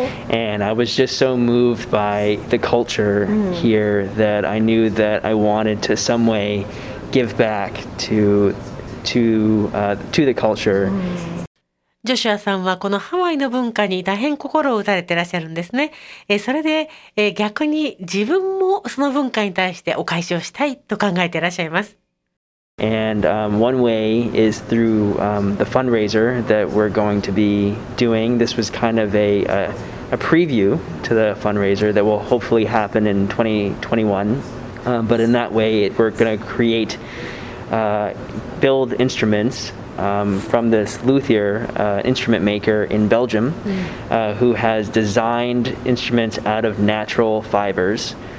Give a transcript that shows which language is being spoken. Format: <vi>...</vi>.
<en>And I was just so moved by the culture here that I knew that I wanted to some way give back to the culture.</en> <ja>ジョシュアさんはこのハワイの文化に大変心を打たれてらっしゃるんですね。それで逆に自分もその文化に対してお返しをしたいと考えてらっしゃいます。</ja> <en>And one way is through the fundraiser that we're going to be doing. This was kind of a preview to the fundraiser that will hopefully happen in 2021. But in that way, we're going to build instruments from this luthier, instrument maker in Belgium, who has designed instruments out of natural fibers.</en>